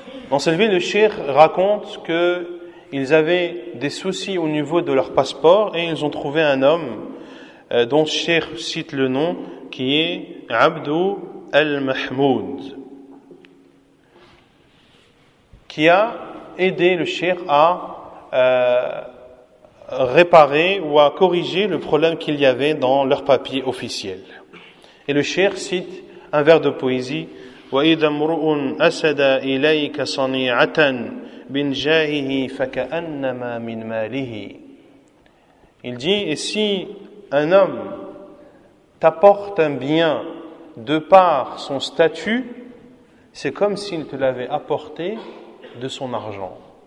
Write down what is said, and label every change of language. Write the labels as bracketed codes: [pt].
[fr] Dans cette ville, le cheikh raconte qu'ils avaient des soucis au niveau de leur passeport et ils ont trouvé un homme dont le cheikh cite le nom, qui est Abdou al-Mahmoud, qui a aidé le cheikh à réparer ou à corriger le problème qu'il y avait dans leur papier officiel. Et le cheikh cite un vers de poésie: [ar] وَإِذَا مُرُؤٌ أَسَدَ إِلَيْكَ صَنِيعَةً بِنْ جَاهِهِ فَكَأَنَّمَا مِنْ مَالِهِ. [fr] Il dit, et si un homme t'apporte un bien de par son statut, c'est comme s'il te l'avait apporté de son argent.